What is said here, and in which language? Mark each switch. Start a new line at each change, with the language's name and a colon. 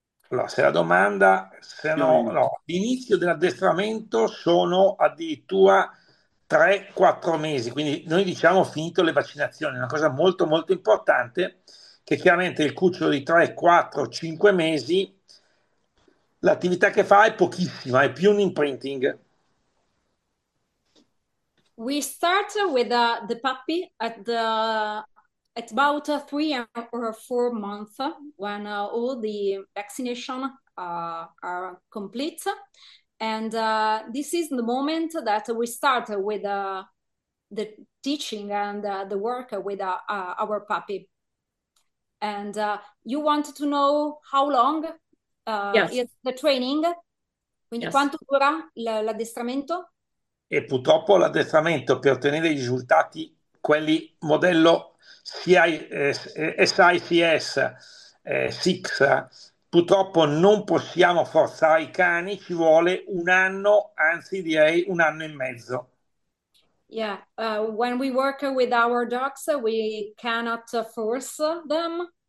Italian: Allora, se la domanda, se no, no. L'inizio dell'addestramento sono addirittura 3 3-4 mesi, quindi noi diciamo finito le vaccinazioni, una cosa molto molto importante, che chiaramente il cucciolo di 3-4-5 mesi, l'attività che fa è pochissima, è più un imprinting.
English: We start with the puppy at about 3 or 4 months when all the vaccination are complete. And this is the moment that we start with the teaching and the work with our puppy. And you want to know how long Yes. is the training?
Italian: Quindi
English: Yes.
Italian: quanto dura l'addestramento? E purtroppo l'addestramento per ottenere i risultati, quelli modello SICS, SICS, purtroppo non possiamo forzare i cani, ci vuole un anno, anzi direi un anno e mezzo.
English: Yeah, when we work with our dogs, we cannot force them.